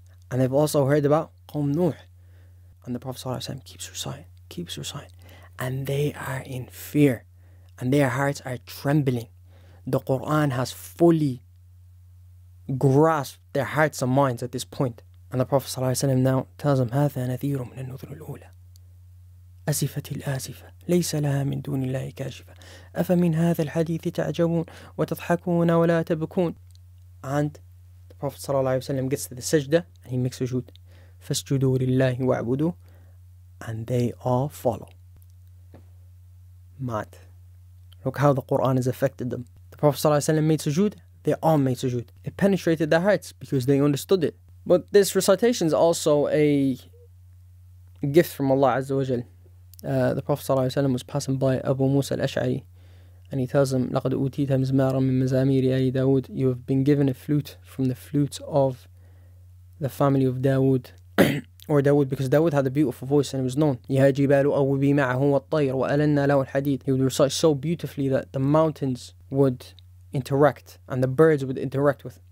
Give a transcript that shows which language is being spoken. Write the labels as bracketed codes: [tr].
[en] And they've also heard about قَوْم نُوح. And the Prophet sallallahu alaihi wasallam keeps reciting. And they are in fear. And their hearts are trembling. The Quran has fully grasped their hearts and minds at this point. And the Prophet sallallahu alaihi wasallam now tells them, [ar] هَذَا نَذِيرٌ مِنَ النُّذُرِ الْأُولَى أَزِفَتِ الْآزِفَةِ لَيْسَ لَهَا مِنْ دُونِ اللَّهِ كَاشِفَةٌ أَفَمِنْ هَذَا الْحَدِيثِ تَعْجَبُونَ وَتَضْحَكُونَ وَلَا تَبْكُونَ. [en] And the Prophet sallallahu alaihi wasallam gets to the sajda and he makes sujood. [ar] فَاسْجُدُوا لِلَّهِ وَاعْبُدُوا. [en] And they all follow. Mad. Look how the Quran has affected them. The Prophet sallallahu alaihi wasallam made sujood. They all made sujood. It penetrated their hearts because they understood it. But this recitation is also a gift from Allah Azza wa Jal. The Prophet sallallahu alaihi wasallam was passing by Abu Musa al-Ash'ari, And he tells him, [ar] لَقَدْ أُوتِيتَ مِزْمَارًا مِنْ مَزَامِيرِ أَلِي دَاوُدْ. [en] You have been given a flute from the flutes of the family of Dawood. Or Dawood, because Dawood had a beautiful voice and it was known. [ar] يَهَا جِبَالُ أَوْبِي مَعَهُ وَالطَّيْرُ وَأَلَنَّا لَهُ الْحَدِيدُ. [en] He would recite so beautifully that the mountains would interact and the birds would interact with.